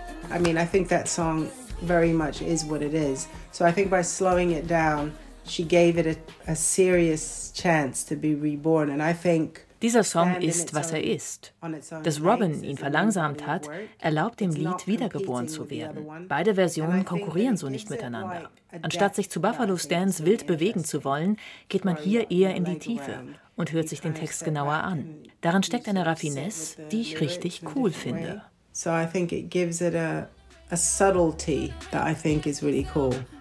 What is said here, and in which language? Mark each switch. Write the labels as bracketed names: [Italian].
[English] I mean, I think that song very much is what it is. So I think by slowing it down, she gave it a serious chance to be reborn. And I think [German] dieser Song ist, was er ist. Dass Robin ihn verlangsamt hat, erlaubt dem Lied, wiedergeboren zu werden. Beide Versionen konkurrieren so nicht miteinander. Anstatt sich zu Buffalo Stance wild bewegen zu wollen, geht man hier eher in die Tiefe und hört sich den Text genauer an. Darin steckt eine Raffinesse, die ich richtig cool finde. [English] So I think it gives it a subtlety that I think is really cool.